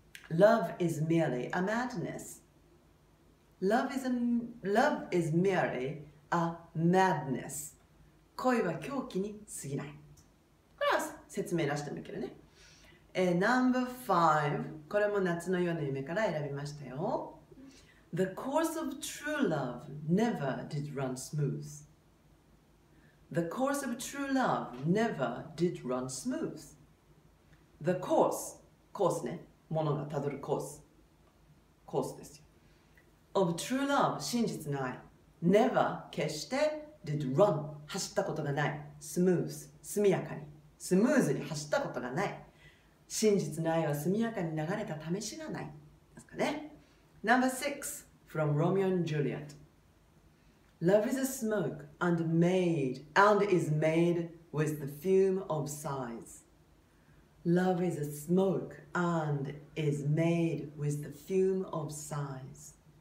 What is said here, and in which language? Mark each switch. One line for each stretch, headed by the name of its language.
English: Love is merely a madnessLove is merely a madness.
Japanese: 恋は狂気に過ぎない。これは説明出してみるけどね。No.5 これも夏の夜の夢から選びましたよ。
English: The course of true love never did run smooth. The course of true love never did run smooth.
Japanese: The course、 コースね、ものがたどるコース、コースですよ。 Of true love, 真実の愛。Never, 決して、did run, 走ったことがない。 Smooth, 速やかに。スムーズに走ったことがない。真実の愛は速やかに流れた試しがない。ですかね。
English: No.6, from Romeo and Juliet. Love is a smoke and made, and is made with the fume of sighs. Love is a smoke and is made with the fume of sighs.